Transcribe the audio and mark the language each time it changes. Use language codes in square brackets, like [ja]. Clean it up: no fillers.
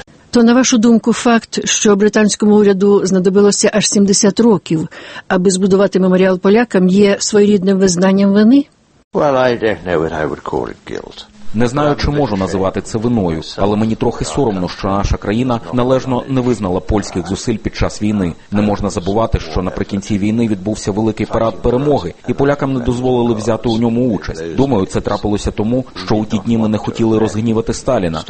[uk] То, на вашу думку, факт, що британському уряду знадобилося аж 70 років, аби збудувати меморіал полякам, є своєрідним визнанням вини? [en] Well, I don't know what I would call it, guilt. [uk] Не знаю, чи можу називати це виною, але мені трохи соромно, що наша країна належно не визнала польських зусиль під час війни. Не можна забувати, що наприкінці війни відбувся великий парад перемоги, і полякам не дозволили взяти у ньому участь. Думаю, це трапилося тому, що у ті дні ми не хотіли розгнівати Сталіна.